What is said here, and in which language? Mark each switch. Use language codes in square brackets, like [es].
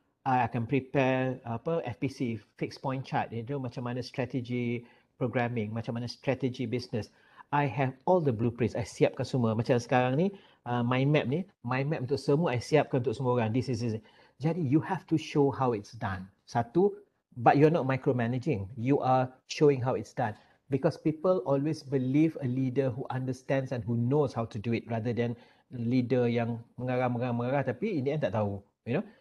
[en] I can prepare FPC, fixed point chart, you know, macam mana strategy programming, macam mana strategy business. I have all the blueprints. I siapkan semua. [ms] Macam sekarang ni, mind map untuk semua, I siapkan untuk semua orang. [en] This is. Jadi, you have to show how it's done. Satu, but you're not micromanaging. You are showing how it's done. Because people always believe a leader who understands and who knows how to do it rather than leader [ms] yang mengarah tapi [en] in the end [ms] tak tahu, [en] you know.